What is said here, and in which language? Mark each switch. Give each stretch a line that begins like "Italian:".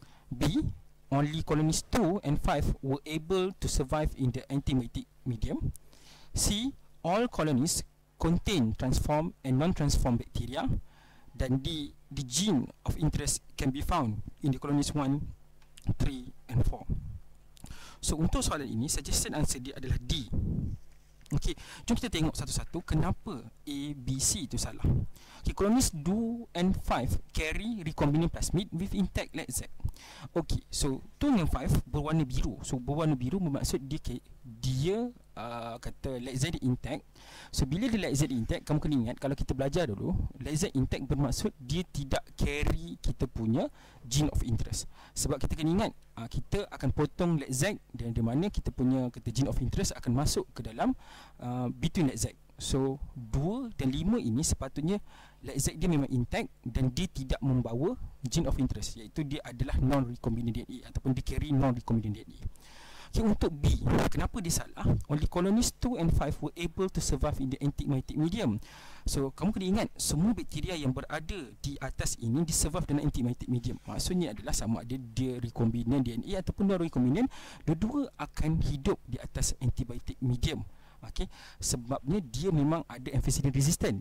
English: B, only colonies 2 and 5 were able to survive in the antibiotic medium. C, all colonies contain transformed and non-transformed bacteria. Dan D, the gene of interest can be found in the colonies 1, 3 and 4.
Malay: So, untuk soalan ini,
English: suggested answer
Malay: dia adalah D. Okey, jom kita tengok satu-satu kenapa A, B, C itu salah.
English: Okey, colonies 2 and 5 carry recombinant plasmid with intact LEDZAC. Okey, so 2 and 5
Malay: berwarna biru. So berwarna biru bermaksud dia kata LEDZAC intact. So bila dia LEDZAC intact, kamu kena ingat kalau kita belajar dulu, LEDZAC intact bermaksud dia tidak
English: carry
Malay: kita punya gene of interest. Sebab kita kena ingat kita akan potong LEDZAC dan di mana kita punya kata gene of interest akan masuk ke dalam
English: between
Malay: LEDZAC. So 2 dan 5 ini sepatutnya LEDZAC dia memang intact dan dia tidak membawa gene of interest, iaitu dia adalah non recombinant DNA ataupun dia
English: carry non recombinant DNA.
Malay: Okay, untuk B, kenapa dia salah?
English: Only colonies 2 and 5 were able to survive in the antibiotic medium.
Malay: So, kamu kena ingat, semua bakteria yang berada di atas ini di
English: survive
Malay: dalam antibiotic medium. Maksudnya adalah sama ada dia recombinant DNA ataupun non-recombinant, dua-dua akan hidup di atas antibiotic medium. Okay, sebabnya dia memang ada amphicillin resistant.